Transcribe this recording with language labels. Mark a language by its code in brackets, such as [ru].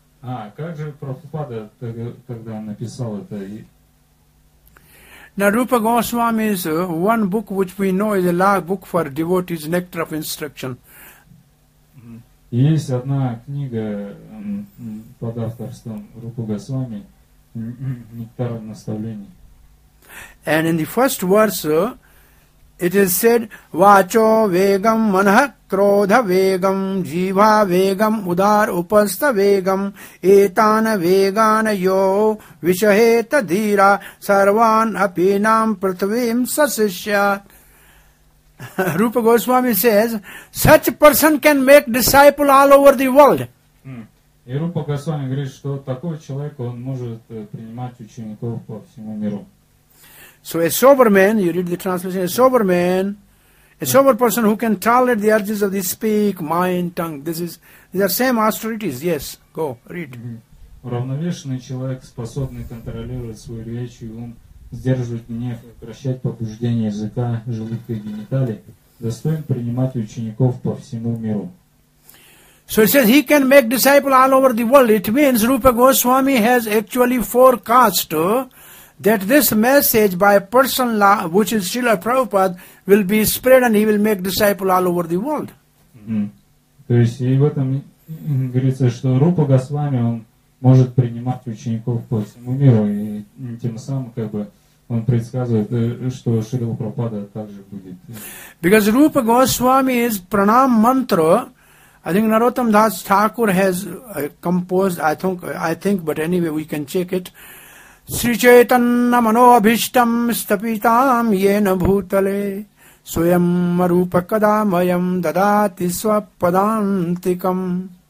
[ru] Как же Прабхупада тогда написал это? [en] Now, Rupa Goswami is one book which we know is a large book for devotees, Nectar of Instruction. [ru] Есть одна книга под авторством Рупа Госвами, Нектар наставлений. [en] And in the first verse, it is said, [sa] Vacho vegam manah krodha vegam jiva vegam udar upastha vegam etana vegana yo vishaheta dhira sarvan apinam prithvim sasishya. [en] Rupa Goswami says, such person can make disciple all over the world. [ru] И Рупа Госвами говорит, что такой человек, он может принимать учеников по всему миру. [en] So a sober man, you read the translation, a sober man, a sober person who can tolerate the urges of the speak, mind, tongue, these are same austerities, yes, go, read. [ru] Равновешенный человек, способный контролировать свою речь и ум, сдерживать гнев, укрощать побуждение языка, желудка и гениталий, достоин принимать учеников по всему миру. [en] So it says he can make disciples all over the world. It means Rupa Goswami has actually forecast that this message by person which is Srila Prabhupada will be spread and he will make disciple all over the world. [ru] То есть и в этом говорится, что Рупа Госвами он может принимать учеников по всему миру и тем самым как бы он предсказывает, что Шрила Прабхупада также будет. [en] Because Rupa Goswami is Pranam Mantra. I think Narottam Das Thakur has composed, I think, but anyway, we can check it. [sa] Sri Chaitanya Mano Abhishtam Stapitam Yena Bhutale Swayam Rupa Kadamayam Dadati Swapadantikam.